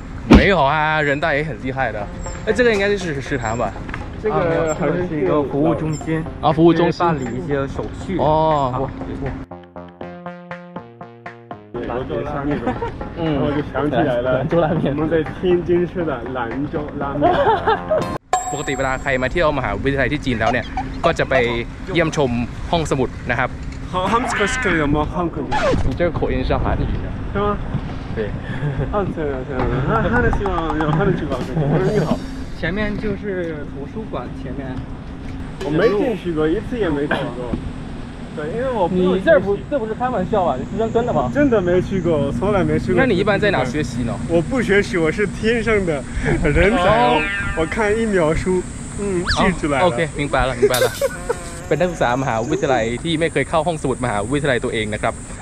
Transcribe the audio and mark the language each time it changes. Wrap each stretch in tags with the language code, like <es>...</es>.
<zh>没有啊人大也很厉害的这个应该就是食堂吧这个还是一个服务中心啊服务中心办理一些手续哦不对不兰州拉面我就想起来了兰州拉面我们在天津吃的兰州拉面</zh> <th>ปกติเวลาใครมาเที่ยวมหาวิทยาลัยที่จีนแล้วเนี่ยก็จะไปเยี่ยมชมห้องสมุดนะครับ ห้องสมุดคือยังไงห้องสมุด</th> <zh>你这个口音是韩语</zh> <th>ใช่ไหม</th> <zh>对，啊，对对对，他的希望，他的希望，你好。前面就是图书馆，前面。我没进去过，一次也没进过。对，因为我你这不这不是开玩笑吧？你是真的吗？真的没去过，从来没去过。那你一般在哪学习呢？我不学习，我是天生的人才。我看一秒书，记出来了。 OK， 明白了，明白了。</zh> <th>เป็นนักศึกษามหาวิทยาลัยที่ไม่เคยเข้าห้องสมุดมหาวิทยาลัยตัวเองนะครับ</th>